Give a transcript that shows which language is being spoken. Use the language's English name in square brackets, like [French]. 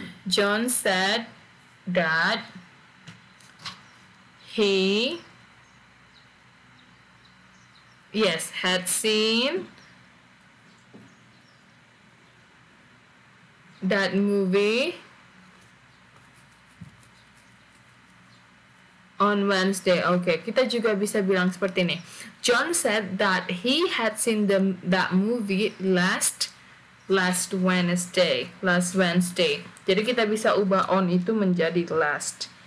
[English] John said that he yes, had seen that movie on Wednesday. [Indonesian] Okay, kita juga bisa bilang seperti ini. [English] John said that he had seen that movie last Wednesday. Last Wednesday. [Indonesian] Jadi kita bisa ubah on itu menjadi last.